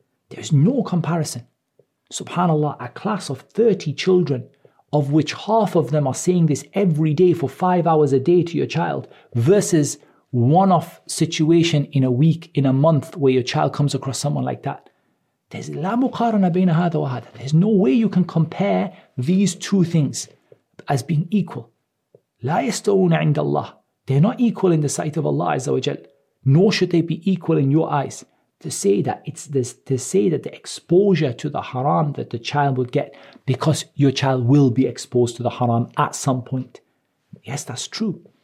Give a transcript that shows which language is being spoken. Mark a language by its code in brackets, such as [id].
[en] There is no comparison. SubhanAllah, a class of 30 children, of which half of them are saying this every day for 5 hours a day to your child, versus one-off situation in a week, in a month, where your child comes across someone like that. There's [ar] لا مقارنة بين هذا وهذا. [en] There's no way you can compare these two things as being equal. [ar] لا يستوون عند الله. [en] They're not equal in the sight of Allah Azza wa Jal, nor should they be equal in your eyes. To say that it's this, to say that the exposure to the haram that the child would get, because your child will be exposed to the haram at some point. Yes, that's true.